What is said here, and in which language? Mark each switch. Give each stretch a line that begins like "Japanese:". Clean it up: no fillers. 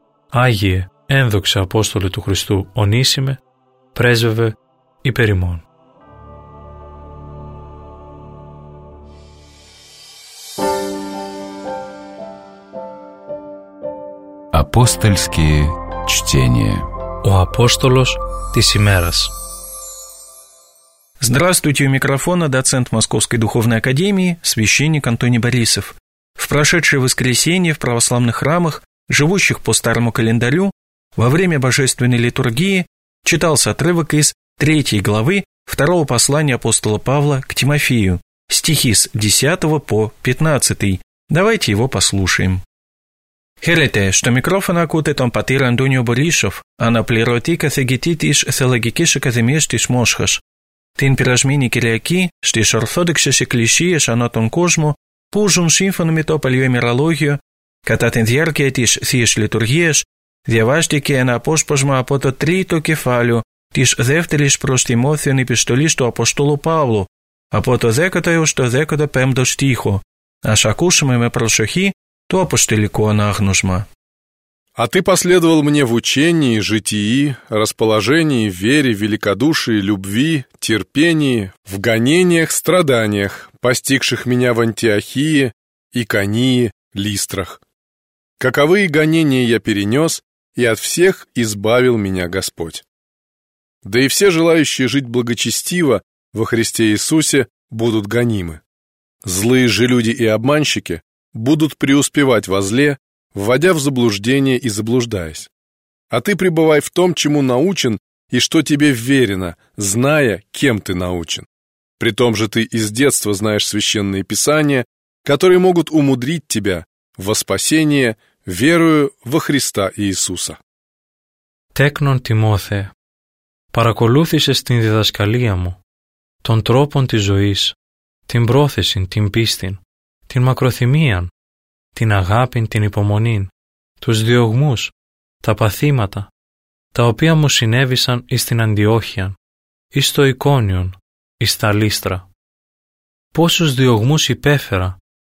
Greek: Άγιε, ένδοξε Απόστολε του Χριστού Ονίσιμε, πρέσβευε υπερημών.
Russian: Апостольские чтения.
Greek: О апостолос της ημέρας.
Russian: Здравствуйте, у микрофона доцент Московской духовной академии, священник Антоний Борисов. В прошедшее воскресенье в православных храмах, живущих по старому календарю, во время божественной литургии читался отрывок из 3 главы 2 послания апостола Павла к Тимофею, стихи с 10 по 15. Давайте его послушаем.
Greek: Χαίρετε, στο μικρόφωνο ακούτε τον πατήρ Αντώνιο Μπορίσοφ, αναπληρωτή καθηγητή της Θεολογικής Ακαδημίας της Μόσχας. Την περασμένη Κυριακή, στις Ορθόδοξες Εκκλησίες ανά τον κόσμο, που ζουν σύμφωνα με το παλιό ημερολόγιο, κατά την διάρκεια της Θείας Λειτουργίας, διαβάστηκε ένα απόσπασμα από το 3ο κεφάλαιο της 2ης προς Τιμόθεον Επιστολής του Αποστόλου Παύλου, από το 10ο έως το 15ο στίχο. Ας ακούσουμε με προσοχή το апостолικό ανάγνωσμα.
Russian: «А ты последовал мне в учении, житии, расположении, вере, великодушии, любви, терпении, в гонениях, страданиях, постигших меня в Антиохии, Иконии, Листрах. Каковы гонения я перенес, и от всех избавил меня Господь. Да и все желающие жить благочестиво во Христе Иисусе будут гонимы. Злые же люди и обманщики – будут преуспевать во зле, вводя в заблуждение и заблуждаясь. А ты пребывай в том, чему научен и что тебе вверено, зная, кем ты научен. Притом же ты из детства знаешь священные писания, которые могут умудрить тебя во спасение верою во Христа Иисуса».
Greek: Τέκνον Τιμόθε, παρακολούθησες την διδασκαλία μου, τον τρόπον της ζωής, την πρόθεσιν, την πίστην, την μακροθυμίαν, την αγάπην, την υπομονήν, τους διωγμούς, τα παθήματα, τα οποία μου συνέβησαν εις την Αντιόχειαν, εις το Εικόνιον, εις τα Λύστρα. Πόσους διωγμούς υπέφερα,